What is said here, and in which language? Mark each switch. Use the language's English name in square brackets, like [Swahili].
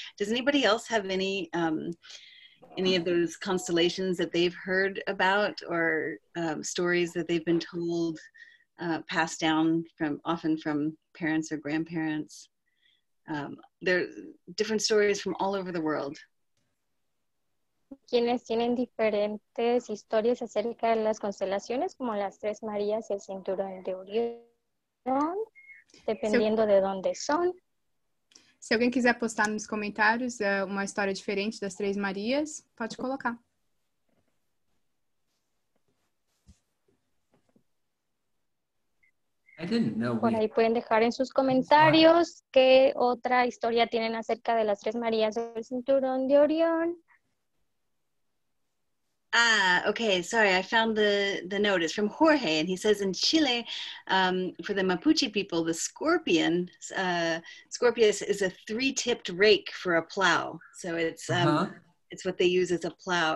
[English] Does anybody else have any of those constellations that they've heard about, or stories that they've been told, passed down from often from parents or grandparents? There are different stories from all over the world. [Spanish] Quienes tienen diferentes historias acerca de las constelaciones, como las Tres Marías y el Cinturón de Orión, dependiendo de dónde son. [Portuguese] Se alguém quiser postar nos comentários uma história diferente das Três Marias, pode colocar. [Spanish] Por ahí pueden dejar en sus comentarios qué otra historia tienen acerca de las Tres Marías o el Cinturón de Orión. [English] Ah, okay, sorry, I found the note. It's from Jorge, and he says in Chile, for the Mapuche people, the scorpion, Scorpius is a three-tipped rake for a plow. So it's it's what they use as a plow.